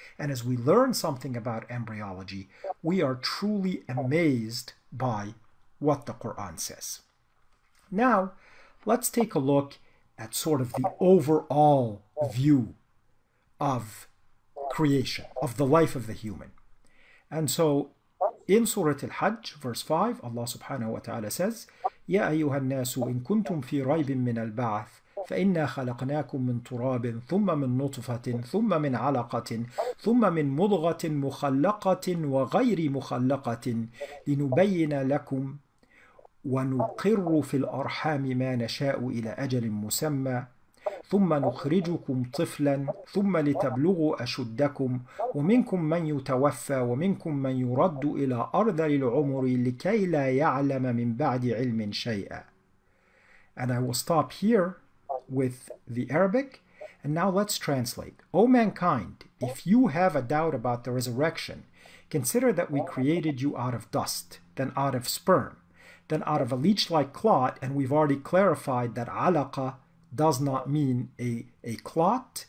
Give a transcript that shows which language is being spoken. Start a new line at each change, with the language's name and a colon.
English: And as we learn something about embryology, we are truly amazed by what the Quran says. Now, let's take a look at sort of the overall view of creation, of the life of the human. And so in Surah Al-Hajj, verse 5, Allah subhanahu wa ta'ala says,
Arabic: يَا أَيُّهَا النَّاسُ إِن كُنْتُمْ فِي رَيْبٍ مِّنَ الْبَعْثِ فَإِنَّا خَلَقْنَاكُمْ مِّن تُرَابٍ ثُمَّ مِّن نُطْفَةٍ ثُمَّ مِّن عَلَقَةٍ ثُمَّ مِّن مُضْغَةٍ مُخَلَّقَةٍ وَغَيْرِ مُخَلَّقَةٍ لِنُبَيِّنَ لَكُمْ وَنُقِرُّ فِي الْأَرْحَامِ مَا نَشَاءُ إِلَى أَجَلٍ مُسَمَّى ثُمَّ نُخْرِجُكُمْ طِفْلًا ثُمَّ لِتَبْلُغُوا أَشُدَّكُمْ وَمِنْكُمْ مَنْ يُتَوَفَّى وَمِنْكُمْ مَنْ يُرَدُّ إِلَى أَرْذَلِ الْعُمُرِ لِكَيْ لَا يَعْلَمَ مِنْ بَعْدِ عِلْمٍ شَيْئًا.
English: And I will stop here with the Arabic. And now let's translate. O mankind, if you have a doubt about the resurrection, consider that we created you out of dust, then out of sperm, then out of a leech-like clot, and we've already clarified that alaqa does not mean a clot.